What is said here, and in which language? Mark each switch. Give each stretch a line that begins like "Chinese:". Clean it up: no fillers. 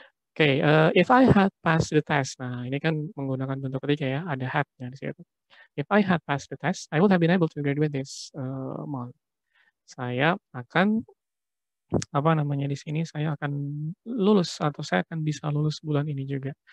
English: Oke, okay, if I had passed the test.
Indonesian: Nah, ini kan menggunakan bentuk ketiga ya, ada had-nya di situ.
English: If I had passed the test, I would have been able to graduate this month.
Indonesian: Saya akan apa namanya di sini, saya akan lulus atau saya akan bisa lulus bulan ini juga.